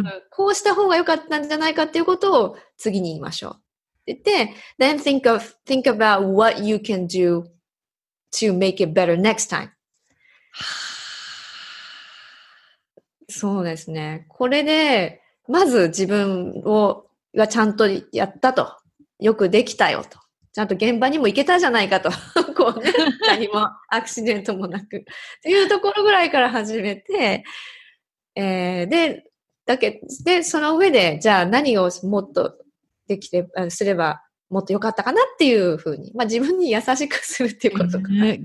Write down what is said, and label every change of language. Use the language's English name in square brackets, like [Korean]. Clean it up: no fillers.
[Japanese] こうした方が良かったんじゃないかっていうことを次に言いましょう。で、 [English] then think about what you can do to make it better next time. [Japanese] そうですね。これで、まず自分を、がちゃんとやったと。よくできたよと。ちゃんと現場にも行けたじゃないかと。こうね、何もアクシデントもなく。っていうところぐらいから始めて、で、その上で、じゃあ何をもっと、できれば、すればもっと良かったかなっていうふうに、まあ、自分に優しくするっていうことか、うん、